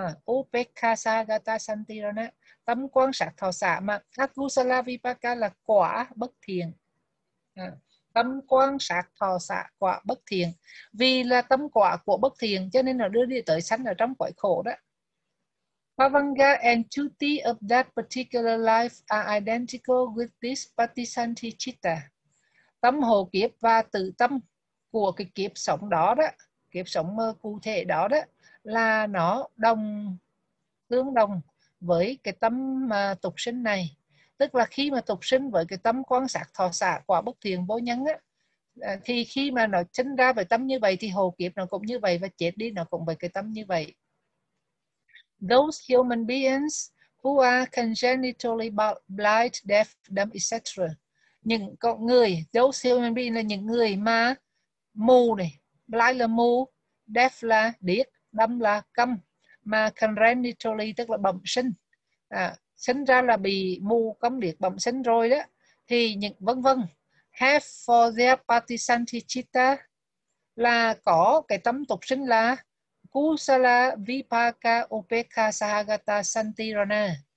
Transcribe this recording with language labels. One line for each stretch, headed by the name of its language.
Vietnamese: Upekha sahagata santirana, tâm quan sát thọ xả, mà akusala vipaka là quả bất thiện. À, tâm quan sát thọ xả, quả bất thiện. Vì là tâm quả của bất thiện cho nên nó đưa đi tới sanh ở trong cõi khổ đó.
English: Pavanga and chuti of that particular life are identical with this patisanti chitta.
Vietnamese: Tâm hồ kiếp và tự tâm của cái kiếp sống đó đó, kiếp sống cụ thể đó đó, là nó đồng, tương đồng với cái tâm tục sinh này. Tức là khi mà tục sinh với cái tâm quan sát thọ xả quả bất thiện vô nhân á, thì khi mà nó sinh ra với tâm như vậy thì hồ kiếp nó cũng như vậy, và chết đi nó cũng với cái tâm như vậy.
English: Those human beings who are congenitally blind, deaf, dumb, etc.
Vietnamese: Những con người,
English: those human beings
Vietnamese: là những người mà mù này, blind là mù, deaf là điếc, dumb là câm, mà congenitally tức là bẩm sinh, à, sinh ra là bị mù, câm, điếc, bẩm sinh rồi đó, thì những vân vân,
English: have for their patisanti citta
Vietnamese: là có cái tâm tục sinh là kusala vipaka upekha sahagata santirana.